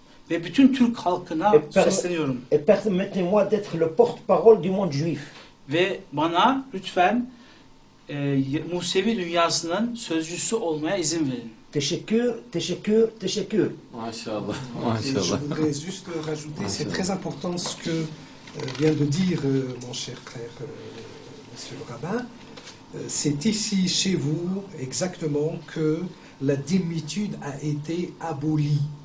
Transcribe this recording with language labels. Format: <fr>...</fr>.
<tr>Ve bütün Türk halkına sesleniyorum.</tr> <fr>Et permettez-moi d'être le porte-parole du monde juif.</fr> <tr>Ve bana lütfen Musevi dünyasının sözcüsü olmaya izin verin. Teşekkür, teşekkür, teşekkür. Maşallah, maşallah.</tr> <fr>Je voudrais juste rajouter, c'est très important ce que vient de dire mon cher frère monsieur le rabbin, c'est ici, chez vous, exactement, que la dhimmitude a été abolie.</fr>